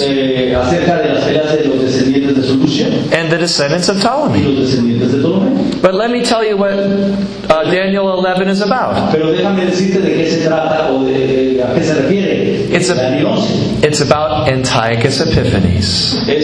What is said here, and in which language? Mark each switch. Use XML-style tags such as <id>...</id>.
<es>acerca de las peleas de los descendientes de Seleucia,</es> <en>and the descendants of Ptolemy.</en> <es>Y los descendientes de Ptolemy.</es> <en>But let me tell you what Daniel 11 is about.</en> <es>Pero déjame decirte de qué se trata o de a qué se refiere.</es> <en>It's about Antiochus Epiphanes.</en>